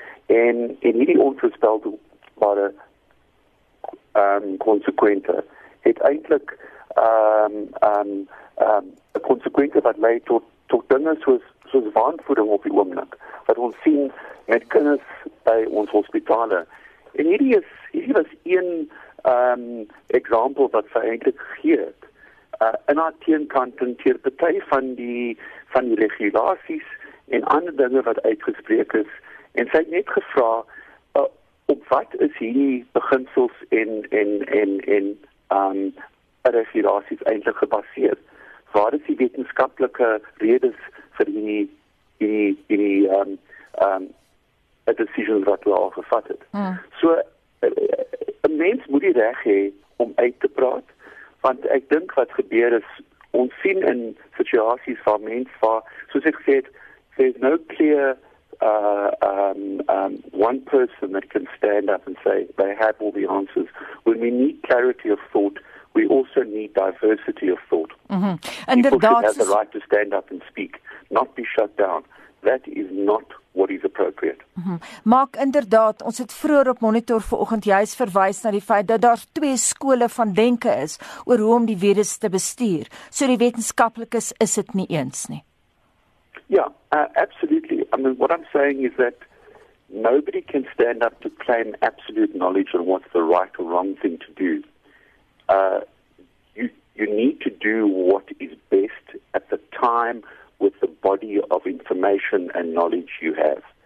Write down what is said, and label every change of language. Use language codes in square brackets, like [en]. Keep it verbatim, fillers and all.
[af] En en hierdie onvoorspelbare ehm um, konsekwente het eintlik ehm um, ehm um, ehm um, 'n konsekwente wat lei tot tot dinge soos soos waanvoeding op die oomblik wat ons sien met kinders by ons hospitale. En hierdie is hierdie was een ehm um, voorbeeld wat sy eintlik gegee het. Uh, in haar teenkanting ter partij van die, van die regulaties en ander dinge wat uitgespreek is. En sy het net gevra, uh, op wat is hierdie beginsels en, en, en, en um, regulaties eintlik gebaseer? Waar is die wetenskaplike redes vir die, die, die um, um, decisions wat we al gevat het? Mm. So, een mens moet die reg hê om uit te praat, want ek dink wat gebeur is, ons sien in situasies waar mens waar, soos ek gesê het, [en] there's no clear uh, um, um, one person that can stand up and say they have all the answers. When we need clarity of thought, we also need diversity of thought. Mm-hmm. People should have the right to stand up and speak, not be shut down. That is not what is appropriate. Mm-hmm. [af] Mark, inderdaad, ons het vroeër op Monitor vanoggend juis verwys na die feit dat daar twee skole van denke is oor hoe om die virus te bestuur. So die wetenskaplikes is dit nie eens nie. [en] Yeah, uh, absolutely. I mean, what I'm saying is that nobody can stand up to claim absolute knowledge on what's the right or wrong thing to do. Uh, you, you need to do what is best at the time with the body of information and knowledge you have.